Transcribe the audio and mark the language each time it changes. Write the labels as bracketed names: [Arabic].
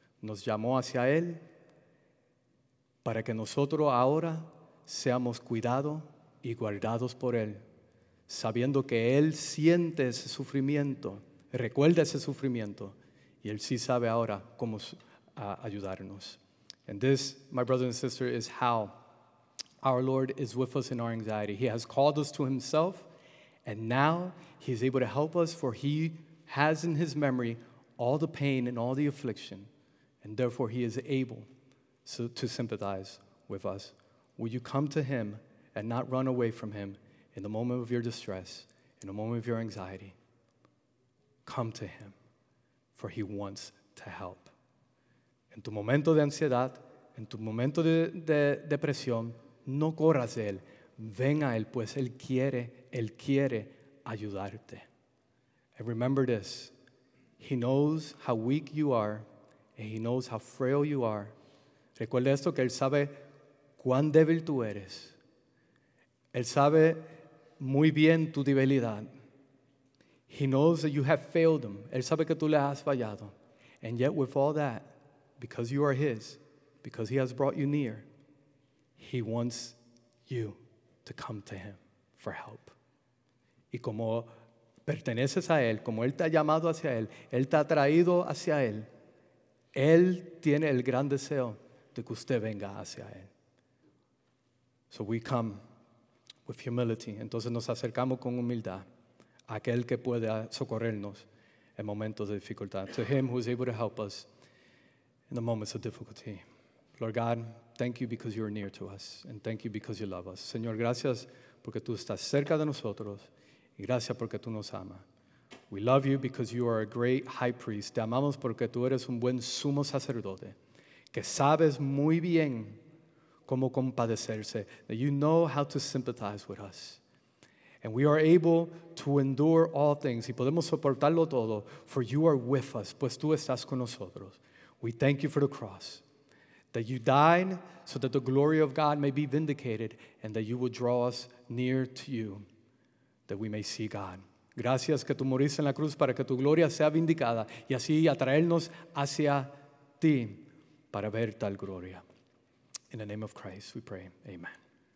[Spanish] Nos llamó hacia él para que nosotros ahora seamos cuidados y guardados por él, sabiendo que él siente ese sufrimiento, recuerda ese sufrimiento, y él sí sabe ahora cómo ayudarnos. [English] And this, my brothers and sisters, is how our Lord is with us in our anxiety. He has called us to himself, and now he is able to help us, for he has in his memory all the pain and all the affliction, and therefore he is able to sympathize with us. Will you come to him and not run away from him in the moment of your distress, in the moment of your anxiety? Come to him, for he wants to help. [Spanish] En tu momento de ansiedad, en tu momento de depresión, no corras de él. Ven a él, pues él quiere ayudarte. [English] And remember this, he knows how weak you are, and he knows how frail you are. [Spanish] Recuerda esto, que él sabe cuán débil tú eres. Él sabe muy bien tu debilidad. [English] He knows that you have failed him. [Spanish] Él sabe que tú le has fallado. [English] And yet with all that, because you are his, because he has brought you near, he wants you to come to him for help. [Spanish] Y como perteneces a él, como él te ha llamado hacia él, él te ha traído hacia él, él tiene el gran deseo de que usted venga hacia él. [English] So we come with humility. [Spanish] Entonces nos acercamos con humildad a aquel que puede socorrernos en momentos de dificultad. [English] To him who is able to help us in the moments of difficulty. Lord God, thank you because you are near to us, and thank you because you love us. [Spanish] Señor, gracias porque tú estás cerca de nosotros, y gracias porque tú nos amas. [English] We love you because you are a great high priest. [Spanish] Te amamos porque tú eres un buen sumo sacerdote, que sabes muy bien cómo compadecerse, [English] that you know how to sympathize with us. And we are able to endure all things, [Spanish] y podemos soportarlo todo, [English] for you are with us, [Spanish] pues tú estás con nosotros. [English] We thank you for the cross. that you died so that the glory of God may be vindicated, and that you will draw us near to you, that we may see God. [Spanish] Gracias que tú moriste en la cruz para que tu gloria sea vindicada y así atraernos hacia ti para ver tal gloria. [English] In the name of Christ, we pray. Amen.